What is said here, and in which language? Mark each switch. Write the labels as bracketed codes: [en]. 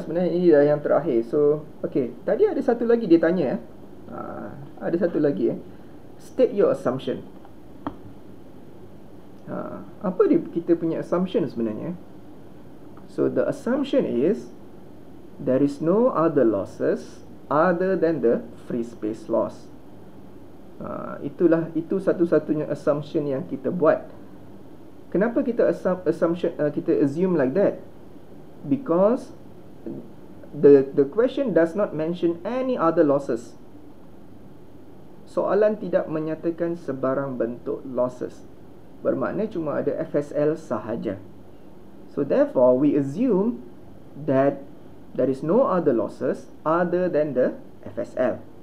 [ms] Sebenarnya ini dah yang terakhir. So, okay. Tadi ada satu lagi dia tanya eh. Ada satu lagi eh. [en] State your assumption. [ms] Apa dia kita punya assumption sebenarnya? [en] So the assumption is there is no other losses other than the free space loss. [ms] Itulah itu satu-satunya assumption yang kita buat. Kenapa kita [en] assume like that? Because the question does not mention any other losses. [ms] Soalan tidak menyatakan sebarang bentuk losses. Bermakna cuma ada FSL sahaja. [en] So therefore, we assume that there is no other losses other than the FSL.